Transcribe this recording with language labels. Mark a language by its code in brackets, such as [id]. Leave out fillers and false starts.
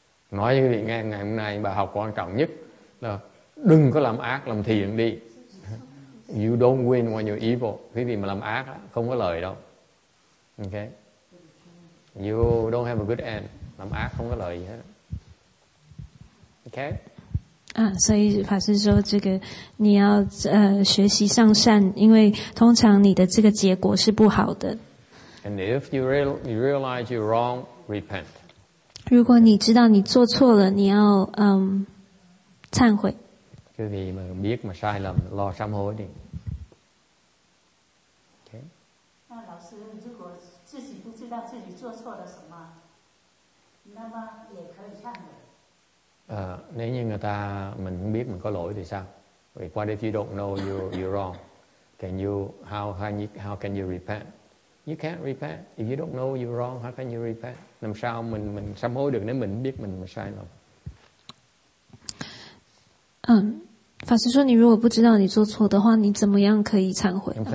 [vi] Nói với quý vị nghe ngày hôm nay, bài học quan trọng nhất là đừng có làm ác, làm thiện đi. [en] You don't win when you're evil. [vi] Quý vị mà làm ác, không có lời đâu. Okay? [en] You don't have a good end. [vi] Làm ác không có lời gì hết. [en] Okay? [zh] 啊，所以法师说，这个你要学习向善，因为通常你的这个结果是不好的。 [en] And if you realize you're wrong, repent. [zh] 如果你知道你做错了，你要忏悔。就是你们别嘛 [vi] sai lầm, lo sám hối đi. Okay. [zh] 那老师，如果自己不知道自己做错了什么，那么也可以忏悔。 [vi] Nếu như người ta mình không biết mình có lỗi thì sao? [en] Vì what if you don't know you're wrong? How can you repent? You can't repent if you don't know you're wrong. How can you repent? [vi] Làm sao mình sám hối được nếu mình biết mình sai lầm? [zh] 法师说，你如果不知道你做错的话，你怎么样可以忏悔？